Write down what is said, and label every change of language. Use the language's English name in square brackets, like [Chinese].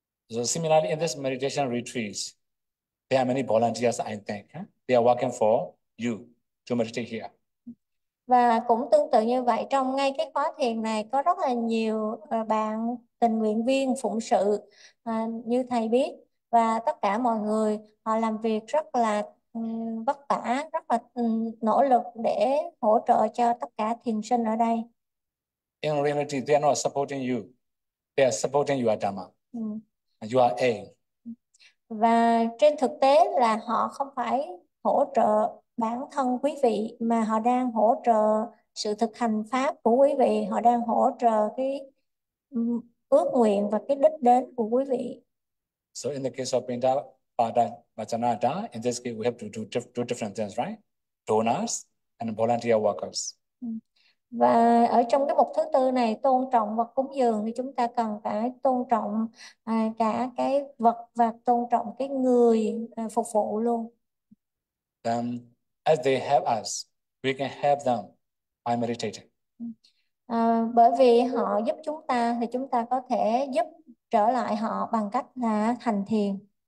[English] So similarly, in this meditation retreats, there are many volunteers, I think. Huh? They are working for you to meditate here. [Vietnamese] Và cũng tương tự như vậy, trong ngay cái khóa thiền này có rất là nhiều bạn tình nguyện viên phụng sự như thầy biết, và tất cả mọi người họ làm việc rất là vất vả, rất là nỗ lực để hỗ trợ cho tất cả thiền sinh ở đây. [English] In reality, they are not supporting you. They are supporting your Dharma. You are A. [Vietnamese] Và trên thực tế là họ không phải hỗ trợ bản thân quý vị, mà họ đang hỗ trợ sự thực hành pháp của quý vị, họ đang hỗ trợ cái ước nguyện và cái đích đến của quý vị. [English] So in the case of Pinda Pada Vachanata, in this case we have to do two different things, right? Donors and volunteer workers. [Vietnamese] Và ở trong cái mục thứ tư này, tôn trọng vật cúng dường, thì chúng ta cần phải tôn trọng cả cái vật và tôn trọng cái người phục vụ luôn. [English] Then, as they help us, we can help them by meditating. [Vietnamese] Bởi vì họ giúp chúng ta thì chúng ta có thể giúp trở lại họ bằng cách là hành thiền.